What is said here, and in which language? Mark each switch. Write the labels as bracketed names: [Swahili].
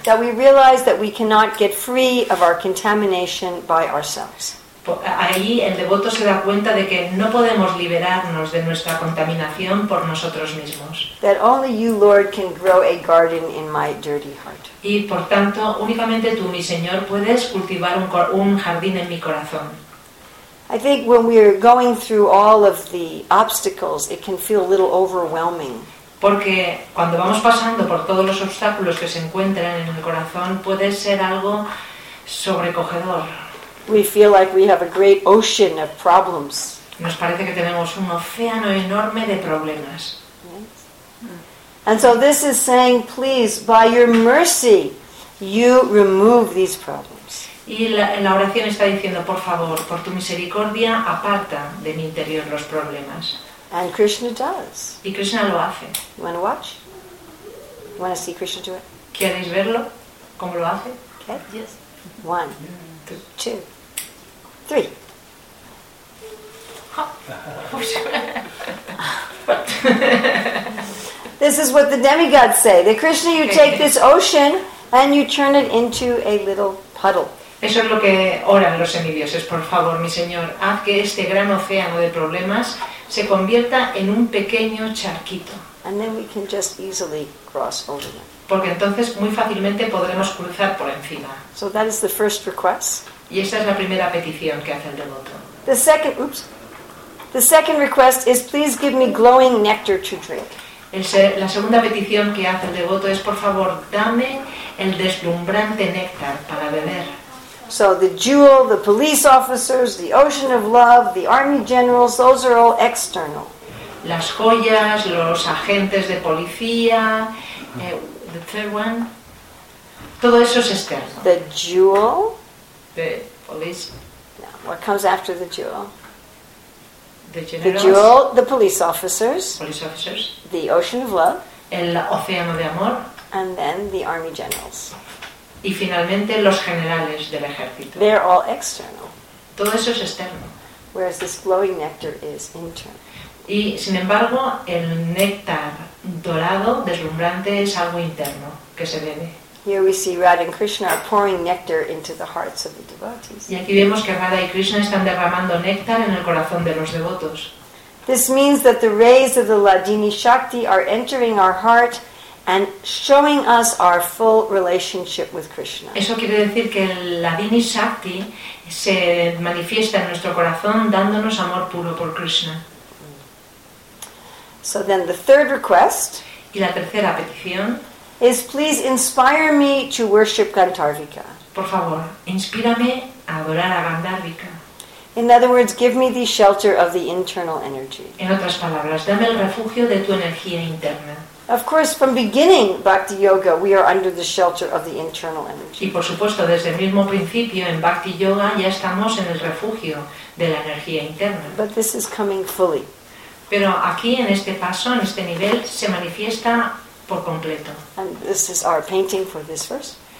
[English] That we realize that we cannot get free of our contamination by ourselves. [Spanish] Ahí el devoto se da cuenta de que no podemos liberarnos de nuestra contaminación por nosotros mismos. [English] That only you, Lord, can grow a garden in my dirty heart. [Spanish] Y por tanto, únicamente tú, mi Señor, puedes cultivar un jardín en mi corazón. [English] I think when we are going through all of the obstacles, it can feel a little overwhelming. [Spanish] Porque cuando vamos pasando por todos los obstáculos que se encuentran en el corazón, puede ser algo sobrecogedor. [English] We feel like we have a great ocean of problems. [Spanish] Nos parece que tenemos un océano enorme de problemas. [English] And so this is saying, please, by your mercy, you remove these problems. [Spanish] Y la oración está diciendo, por favor, por tu misericordia, aparta de mi interior los problemas. [English] And Krishna does. [Spanish] Y Krishna lo hace. [English] You want to watch? You want to see Krishna do it? [Spanish] ¿Queréis verlo? ¿Cómo lo hace? [English] Okay. Yes. One, two, three. This is what the demigods say. That Krishna, you take this ocean and you turn it into a little puddle. [Spanish] Eso es lo que oran los semidioses. Por favor, mi Señor, haz que este gran océano de problemas se convierta en un pequeño charquito. [English] And then we can just easily cross over them. [Spanish] Porque entonces muy fácilmente podremos cruzar por encima. [English] So that is the first request. [Spanish] Y esta es la primera petición que hace el devoto. [English] The second request is, please give me glowing nectar to drink. [Spanish] La segunda petición que hace el devoto es, por favor, dame el deslumbrante néctar para beber. [English] So the jewel, the police officers, the ocean of love, the army generals, those are all external. [Spanish] Las joyas, los agentes de policía, [English] the third one, [Spanish] todo eso es externo. [English] The jewel. The police. No, what comes after the jewel? The generals. The jewel, the police officers. Police officers. The ocean of love. [Spanish] El océano de amor. [English] And then the army generals. [Spanish] Y finalmente los generales del ejército. [English] They're all external. [Spanish] Todo eso es externo. [English] Whereas this glowing nectar is internal. [Spanish] Y sin embargo, el néctar dorado, deslumbrante, es algo interno que se bebe. [English] Here we see Radha and Krishna are pouring nectar into the hearts of the devotees. [Spanish] Y aquí vemos que Radha y Krishna están derramando néctar en el corazón de los devotos. [English] This means that the rays of the Ladini Shakti are entering our heart and showing us our full relationship with Krishna. [Spanish] Eso quiere decir que la Ladini Shakti se manifiesta en nuestro corazón dándonos amor puro por Krishna. [English] So then the third request, [Spanish] y la tercera petición, [English] is please inspire me to worship Gandharvika. [Spanish] Por favor, inspírame a adorar a Gandharvika. [English] In other words, give me the shelter of the internal energy. [Spanish] En otras palabras, dame el refugio de tu energía interna. [English] Of course, from beginning Bhakti Yoga, we are under the shelter of the internal energy. [Spanish] Y por supuesto, desde el mismo principio en Bhakti Yoga ya estamos en el refugio de la energía interna. [English] But this is coming fully. [Spanish] Pero aquí en este paso, en este nivel, se manifiesta por completo. [English] And this is our painting for this verse.